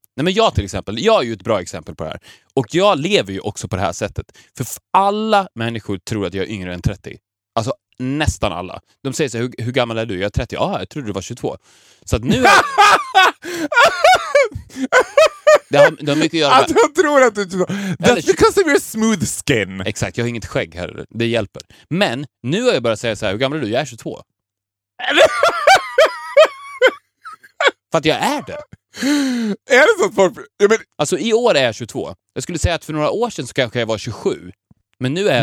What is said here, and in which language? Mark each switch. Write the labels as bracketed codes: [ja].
[sv] Nej, men jag till exempel. Jag är ju ett bra exempel på det här. Och jag lever ju också på det här sättet. För alla människor tror att jag är yngre än 30. Alltså nästan alla. De säger så här, hur gammal är du? Jag är 30. Ja, jag trodde du var 22. Så att nu... Det har mycket att göra med... Att jag tror att du är 22. [en] That's because of your smooth skin. [sv] Exakt, jag har inget skägg här. Det hjälper. Men nu har jag börjat säga så här, hur gammal är du? Jag är 22. För att jag är det. Är det så att folk... Jag menar... Alltså i år är jag 22. Jag skulle säga att för några år sedan så kanske jag var 27. Men nu är jag 22.